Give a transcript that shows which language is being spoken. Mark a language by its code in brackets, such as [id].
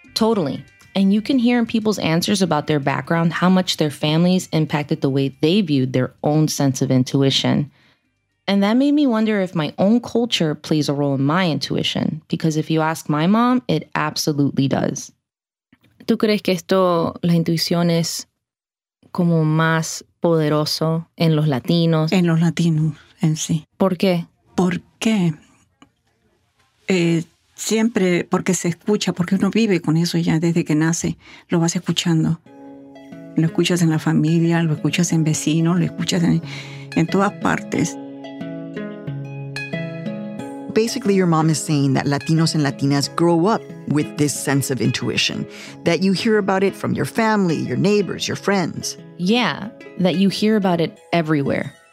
[en] Totally. And you can hear in people's answers about their background how much their families impacted the way they viewed their own sense of intuition. And that made me wonder if my own culture plays a role in my intuition, because if you ask my mom, it absolutely does. [es] ¿Tú crees que esto, la intuición es como más poderoso en los latinos? En los latinos, en sí. ¿Por qué? Porque siempre, porque se escucha, porque uno vive con eso ya desde que nace, lo vas escuchando. Lo escuchas en la familia, lo escuchas en vecinos, lo escuchas en todas partes. [en] Basically, your mom is saying that Latinos and Latinas grow up with this sense of intuition, that you hear about it from your family, your neighbors, your friends. Yeah, that you hear about it everywhere.